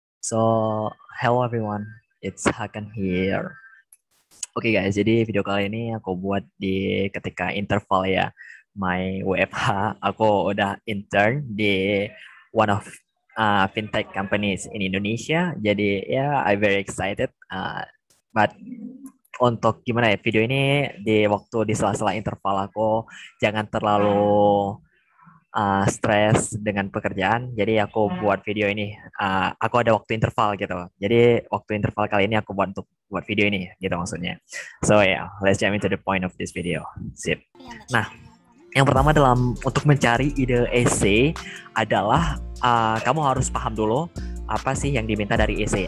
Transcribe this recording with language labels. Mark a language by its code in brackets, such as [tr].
[en] So, hello everyone, it's Hakan here. [id] Okay guys, jadi video kali ini aku buat di ketika interval ya, [en] my WFH, [id] aku udah intern di [en] one of fintech companies in Indonesia. [id] Jadi ya, [en] yeah, I'm very excited. But [id] untuk gimana ya, video ini di waktu di sela-sela interval aku, jangan terlalu stres dengan pekerjaan. Jadi aku buat video ini, aku ada waktu interval gitu. Jadi waktu interval kali ini aku buat untuk buat video ini gitu maksudnya. [en] So yeah, let's jump into the point of this video. [id] Sip. Nah, yang pertama dalam untuk mencari ide essay adalah kamu harus paham dulu apa sih yang diminta dari essay.